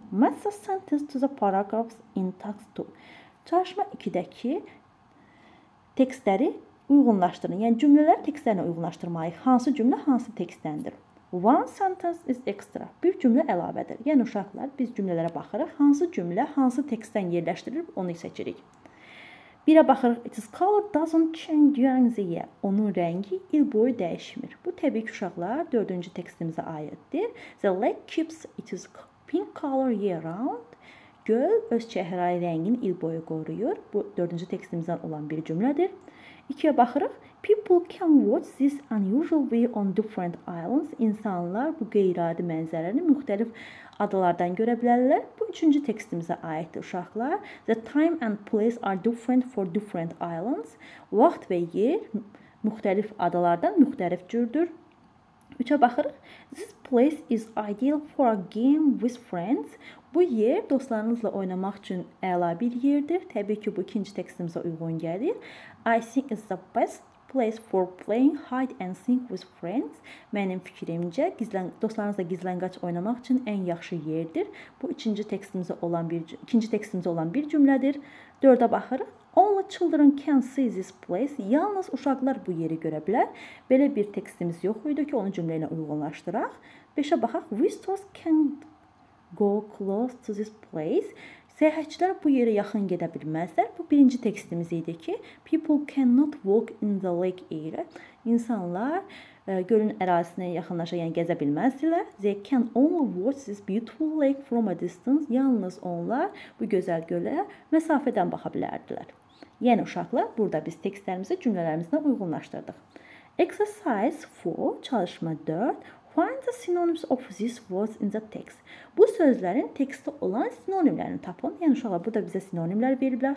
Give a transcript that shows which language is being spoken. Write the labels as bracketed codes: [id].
[en] Match the sentence to the paragraphs in text 2. [az] Çalışma 2-dəki tekstləri uyğunlaşdırın. Yəni cümlələr tekstlərinə uyğunlaşdırmayı. Hansı cümlə hansı tekstdəndir? [en] One sentence is extra. [az] Bir cümlə əlavədir. Yəni uşaqlar, biz cümlələrə baxırıq. Hansı cümlə hansı tekstdən yerləşdirilir, onu seçirik. Birə baxırıq. [en] Its color doesn't change during the year. [az] Onun rəngi il boyu dəyişmir. Bu, təbii ki, uşaqlar, dördüncü tekstimizə aiddir. [en] The lake keeps its pink color year round. [az] Göl öz çəhrayı rəngini il boyu qoruyur. Bu, dördüncü tekstimizdən olan bir cümlədir. İkiyə baxırıq. [en] People can watch this unusual view on different islands. [az] İnsanlar bu qeyri-adi mənzərəni müxtəlif adalardan görə bilərlər. Bu, üçüncü tekstimizə aiddir uşaqlar. [en] The time and place are different for different islands. [az] Vaxt və yer müxtəlif adalardan müxtəlif cürdür. Üçə baxırıq. [en] This place is ideal for a game with friends. [az] Bu yer dostlarınızla oynamaq üçün əla bir yerdir. Təbii ki, bu ikinci tekstimizə uyğun gəlir. [en] I think it's the best place for playing hide and seek with friends. [az] Mənim fikrimcə, dostlarınızla gizləngaç oynamaq üçün ən yaxşı yerdir. Bu ikinci tekstimizə olan bir cümlədir. Dördə baxırıq. [en] Only children can see this place. [az] Yalnız uşaqlar bu yeri görə bilər. Belə bir tekstimiz yox idi ki, onu cümlə ilə uyğunlaşdıraq. Beşə baxaq. [en] Visitors can go close to this place. [az] Səyahətçilər bu yerə yaxın gedə bilməzlər. Bu, birinci tekstimiz idi ki, [en] people cannot walk in the lake area. [az] İnsanlar gölün ərazisinə yaxınlaşa, yəni gəzə bilməzdilər. [en] They can only watch this beautiful lake from a distance. [az] Yalnız onlar bu gözəl gölə məsafədən baxa bilərdilər. Yəni, uşaqlar, burada biz tekstlərimizi cümlələrimizlə uyğunlaşdırdıq. [en] Exercise 4, [az] çalışma 4. [en] Find the synonyms of these words in the text. [az] Bu sözlərin tekstdə olan sinonimlərini tapın. Yəni uşaqlar, burada bizə sinonimlər veriblər.